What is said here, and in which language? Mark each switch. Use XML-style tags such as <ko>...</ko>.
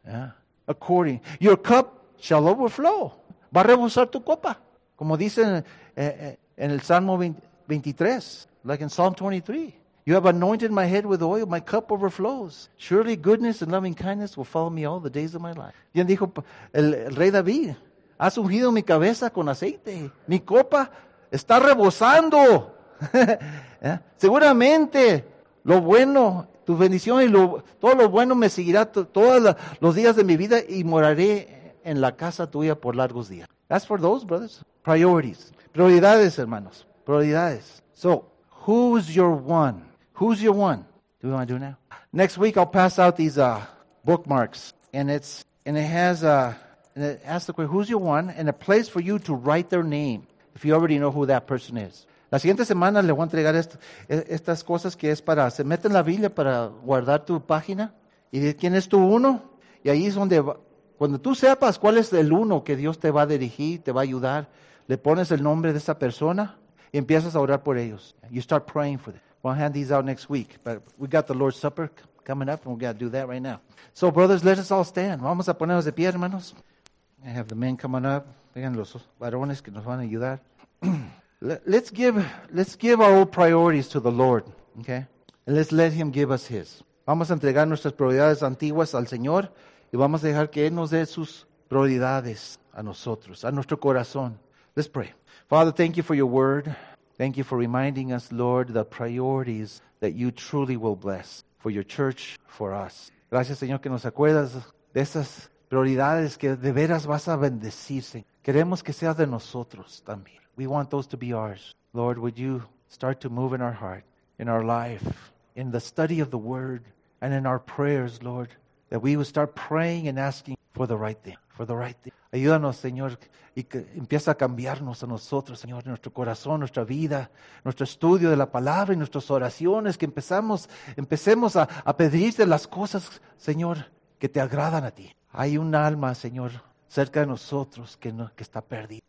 <en>Yeah. According. Your cup shall overflow.</en> <es>Va a rebosar tu copa. Como dice en el Salmo 23,</es> <en>like in Psalm 23. You have anointed my head with oil, my cup overflows. Surely goodness and loving kindness will follow me all the days of my life.</en> <es>Bien dijo el rey David, has ungido mi cabeza con aceite. Mi copa está rebosando. ¿Eh? Seguramente lo bueno, tu bendición y todo lo bueno me seguirá todos los días de mi vida y moraré en la casa tuya por largos días.</es> <en>That's for those, brothers. Priorities.</en> <es>Prioridades, hermanos. Prioridades.</es> <en>So, who's your one? Who's your one? Do we want to do now? Next week, I'll pass out these bookmarks. And it asks the question, who's your one? And a place for you to write their name, if you already know who that person is.</en> <es>La siguiente semana, le voy a entregar estas cosas que es para, se mete en la Biblia para guardar tu página. Y de quién es tu uno. Y ahí es donde va. Cuando tú sepas cuál es el uno que Dios te va a dirigir, te va a ayudar, le pones el nombre de esa persona y empiezas a orar por ellos.</es> <en>You start praying for them. We'll hand these out next week. But we got the Lord's Supper coming up and we got to do that right now. So brothers, let us all stand.</en> <es>Vamos a ponernos de pie, hermanos.</es> <en>I have the men coming up.</en> <es>Vengan los varones que nos van a ayudar.</es> <en>Let's give our old priorities to the Lord. Okay? And let's let him give us his.</en> <es>Vamos a entregar nuestras prioridades antiguas al Señor. Y vamos a dejar que Él nos dé sus prioridades a nosotros, a nuestro corazón.</es> <en>Let's pray. Father, thank you for your word. Thank you for reminding us, Lord, the priorities that you truly will bless for your church, for us.</en> <es>Gracias, Señor, que nos acuerdas de esas prioridades que de veras vas a bendecir, Señor. Queremos que sea de nosotros también.</es> <en>We want those to be ours. Lord, would you start to move in our heart, in our life, in the study of the word, and in our prayers, Lord, that we would start praying and asking. for the right thing. For the right thing.</en> <es>Ayúdanos, Señor, y que empieza a cambiarnos a nosotros, Señor, nuestro corazón, nuestra vida, nuestro estudio de la palabra y nuestras oraciones, que empecemos a pedirte las cosas, Señor, que te agradan a ti. Hay un alma, Señor, cerca de nosotros que está perdida.</es>